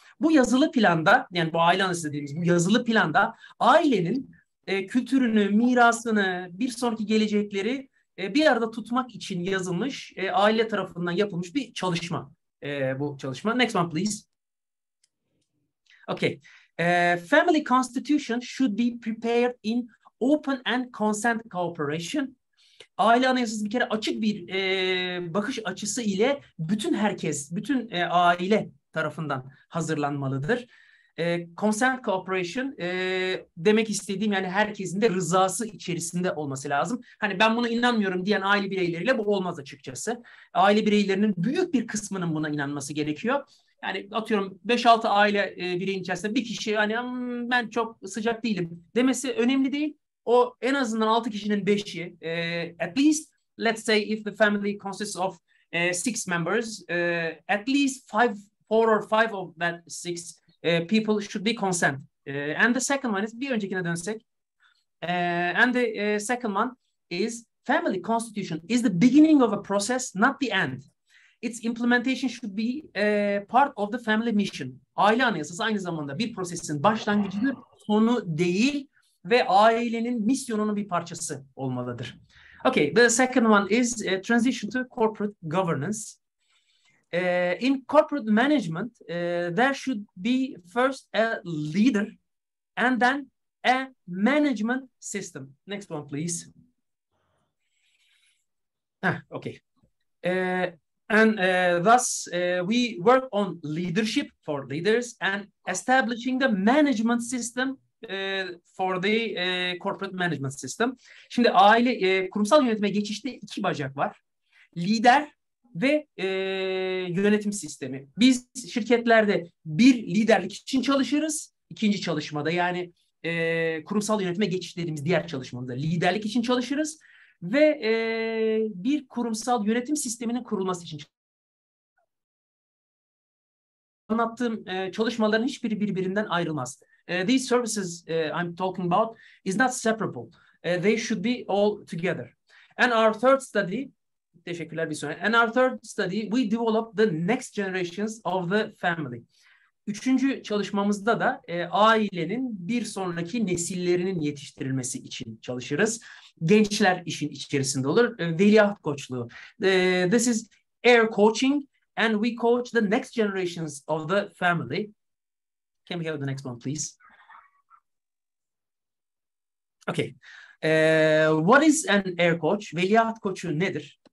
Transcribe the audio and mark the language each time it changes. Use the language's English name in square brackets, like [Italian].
[Turkish] Bu yazılı planda, yani bu aile anısı dediğimiz bu yazılı planda ailenin kültürünü, mirasını, bir sonraki gelecekleri bir arada tutmak için yazılmış, aile tarafından yapılmış bir çalışma bu çalışma. [English] Next one please. Okay. Family constitution should be prepared in open and consent cooperation. [Turkish] Aile anayasası bir kere açık bir bakış açısı ile bütün herkes, bütün aile tarafından hazırlanmalıdır. Consent cooperation demek istediğim yani herkesin de rızası içerisinde olması lazım. Hani ben buna inanmıyorum diyen aile bireyleriyle bu olmaz açıkçası. Aile bireylerinin büyük bir kısmının buna inanması gerekiyor. Yani atıyorum 5-6 aile bireyin içerisinde bir kişi hani ben çok sıcak değilim demesi önemli değil. O en azından 6 kişinin 5'i, [English] at least let's say if the family consists of 6 members, at least 4 or 5 of that 6 people should be consent. And the second one is, [Turkish] bir öncekine dönsek. [English] And the second one is, family constitution is the beginning of a process, not the end. Its implementation should be part of the family mission. [Turkish] Aile anayasası aynı zamanda bir prosesin başlangıcıdır, sonu değil. Ve ailenin misyonunun bir parçası olmalıdır. [English] Okay, the second one is transition to corporate governance. In corporate management, there should be first a leader and then a management system. Next one, please. Okay. And thus, we work on leadership for leaders and establishing the management system for the corporate management system. [Turkish] Şimdi aile kurumsal yönetime geçişte iki bacak var. Lider ve yönetim sistemi. Biz şirketlerde bir liderlik için çalışırız. İkinci çalışmada yani kurumsal yönetime geçiş dediğimiz diğer çalışmada liderlik için çalışırız. Ve bir kurumsal yönetim sisteminin kurulması için çalışırız. Anlattığım çalışmaların hiçbiri birbirinden ayrılmaz. [English] These services I'm talking about is not separable. They should be all together. And our third study, [Turkish] teşekkürler bir sonraki. [English] And our third study, we develop the next generations of the family. [Turkish] Üçüncü çalışmamızda da ailenin bir sonraki nesillerinin yetiştirilmesi için çalışırız. Gençler işin içerisinde olur. Veliaht koçluğu. [English] This is air coaching and we coach the next generations of the family. Can we have the next one, please? Okay. What is an air coach? [Turkish] Veliaht koçu nedir?